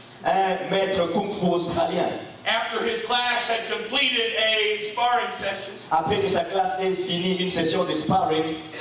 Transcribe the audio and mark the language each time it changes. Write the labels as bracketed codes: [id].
[fr] Un maître kung fu australien. [en] After his class had completed a sparring session. [fr] Après que sa classe ait fini une session de sparring,